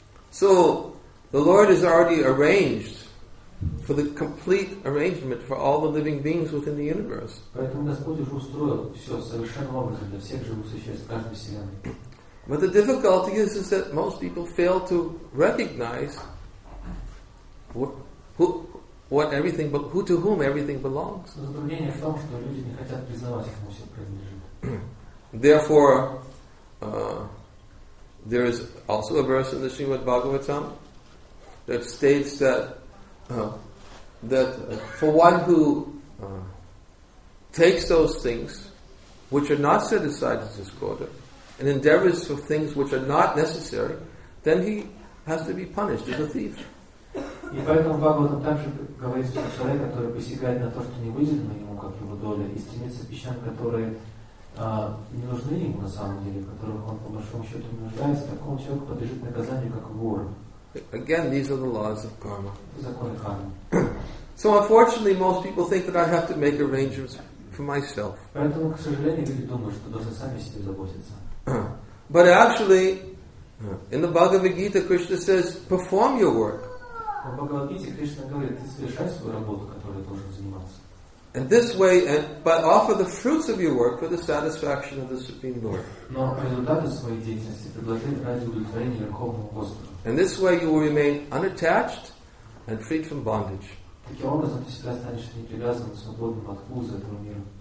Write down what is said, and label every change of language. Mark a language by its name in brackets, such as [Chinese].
[English] So, the Lord is already arranged for the complete arrangement for all the living beings within the universe. But the difficulty is that most people fail to recognize what everything, who to whom everything belongs. [Russian] Затруднение в том, что люди не хотят признавать, кому все принадлежит. [English] Therefore, there is also a verse in the Srimad Bhagavatam that states that that for one who takes those things which are not set aside as his quota and endeavors for things which are not necessary, then he has to be punished as a thief. [Russian] И поэтому Бхагаватам также говорит, что человек, который посягает на то, что не выделено ему как его доля, и стремится к вещам, которые не нужны ему на самом деле, которых он по большому счету не нуждается, такому человеку подлежит наказанию как вор. [English] Again, these are the laws of karma. [Russian] Законы кармы. [English] So unfortunately, most people think that I have to make arrangements for myself. [Russian] Поэтому, к сожалению, люди думают, что должны сами себе заботиться. [English] But actually, in the Bhagavad Gita, Krishna says, perform your work. [Russian] В Бхагавад Гите Кришна говорит, ты совершай свою работу, которой должен заниматься. [English] And this way, and, but offer the fruits of your work for the satisfaction of the Supreme Lord. [Russian] Но результаты своей деятельности предложи ради удовлетворения Верховного Господа. [English] And this way you will remain unattached and freed from bondage. [Russian] Таким образом, ты всегда станешь непривязанным, свободным от уз этого мира.